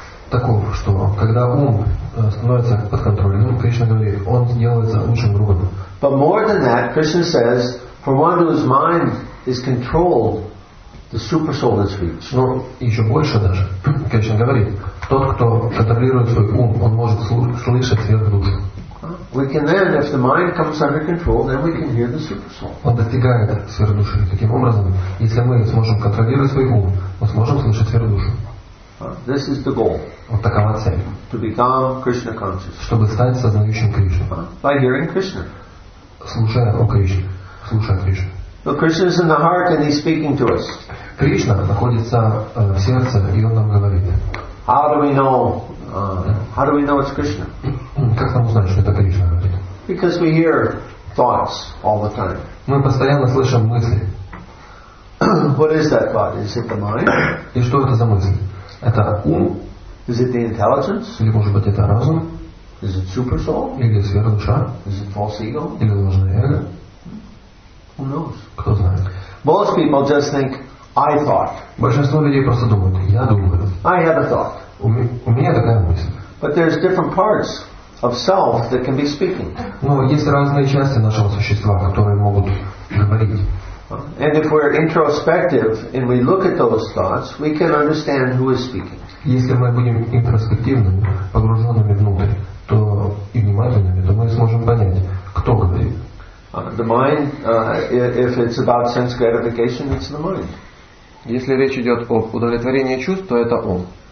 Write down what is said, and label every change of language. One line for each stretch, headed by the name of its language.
Russian: Таков, что когда ум становится под контролем, Кришна говорит, он делается лучшим другом.
English: But more than that, Krishna says, for one whose mind is controlled, the super soul is rich.
Russian: Но еще больше даже, Кришна говорит, тот, кто контролирует свой ум, он может слышать сверхдушу.
English: We can then, if the mind comes under control, then we can hear the super soul.
Russian: Он достигает сверхдуши. Таким образом, если мы сможем контролировать свой ум, мы сможем слышать сверхдушу.
English: This is the goal.
Russian: Вот такова цель.
English: To become Krishna conscious.
Russian: Чтобы стать сознающим Кришну.
English: By hearing Krishna.
Russian: Слушая о Кришне. Слушая Кришну.
English: So Krishna is in the heart and he's speaking to us.
Russian: Кришна находится в сердце и он нам говорит.
English: How do we know it's Krishna?
Russian: Как нам узнать, что это Кришна?
English: Because we hear thoughts all the time.
Russian: Мы постоянно слышим мысли.
English: What is that thought? Is it the mind?
Russian: И что это за мысль? Это ум?
English: Is it the intelligence?
Russian: Или может быть это разум?
English: Is it super soul?
Russian: Или сверхдуша?
English: Is it false ego?
Russian: Или ложное эго?
English: Who knows?
Russian: Кто знает?
English: Most people just think I thought.
Russian: Большинство людей просто думают, я думаю.
English: I had a thought.
Russian: У меня такая мысль.
English: But there's different parts of self that can be speaking.
Russian: Но есть разные части нашего существа, которые могут говорить.
English: And if we're introspective and we look at those thoughts, we can understand who is speaking.
Russian: Если мы будем интроспективными, погруженными внутрь, то и внимательными, то мы сможем понять, кто говорит.
English: The mind, if it's about sense gratification, it's the mind.
Russian: Если речь идет о удовлетворении чувств, то это ум.